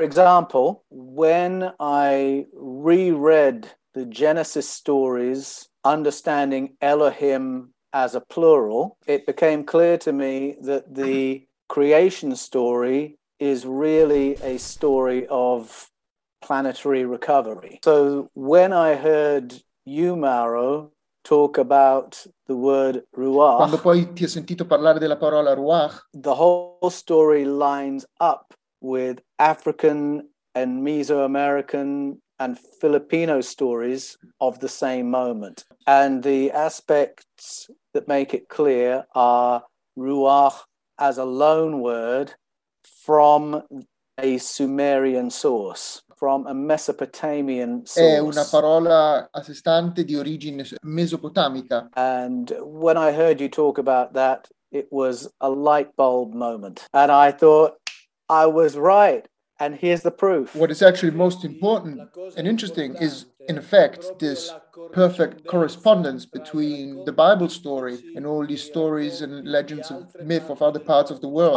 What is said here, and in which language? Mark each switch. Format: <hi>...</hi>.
<en>For example, when I reread the Genesis stories, understanding Elohim as a plural, it became clear to me that the creation story is really a story of planetary recovery. So when I heard you, Mauro, talk about the word ruach,</en> <it>quando poi ti ho sentito parlare della parola ruach,</it> <en>the whole story lines up with African and Mesoamerican and Filipino stories of the same moment. And the aspects that make it clear are ruach as a loan word from a Sumerian source, from a Mesopotamian source.</en> <it>È una parola a sé stante di origine mesopotamica.</it> <en>And when I heard you talk about that, it was a light bulb moment. And I thought, I was right. And here's the proof. What is actually most important and interesting is, in effect, this perfect correspondence between the Bible story and all these stories and legends and myth of other parts of the world.</en>